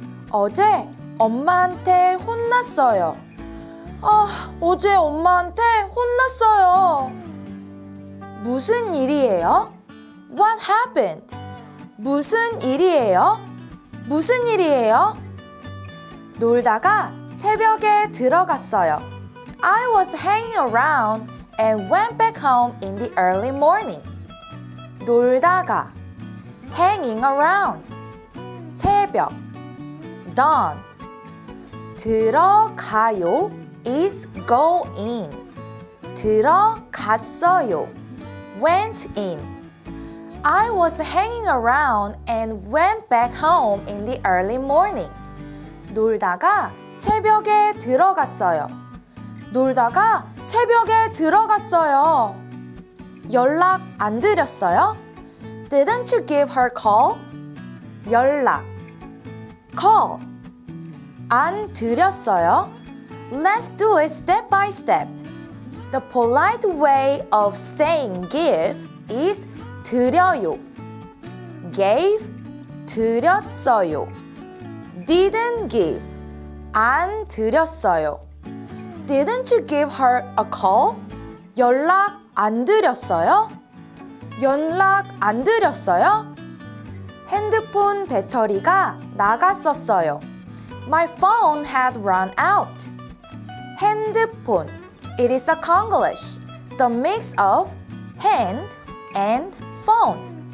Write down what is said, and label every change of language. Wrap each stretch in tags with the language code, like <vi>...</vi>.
<ko>어제, 엄마한테 혼났어요. 아, 어제 엄마한테 혼났어요. 무슨 일이에요?</ko> <en>What happened?</en> <ko>무슨 일이에요? 무슨 일이에요? 놀다가 새벽에 들어갔어요.</ko> <en>I was hanging around and went back home in the early morning. 놀다가 hanging around 새벽 dawn 들어가요 is go in 들어갔어요 went in. I was hanging around and went back home in the early morning.</en> <ko>놀다가 새벽에 들어갔어요. 놀다가 새벽에 들어갔어요. 연락 안 드렸어요?</ko> <en>Didn't you give her call?</en> <ko>연락 call 안 드렸어요?</ko> <en>Let's do it step by step. The polite way of saying give is 드려요. Gave, 드렸어요. Didn't give, 안 드렸어요. Didn't you give her a call?</en> <ko>연락 안 드렸어요? 연락 안 드렸어요? 핸드폰 배터리가 나갔었어요.</ko> <en>My phone had run out. 핸드폰. It is a Konglish, the mix of hand and phone.</en>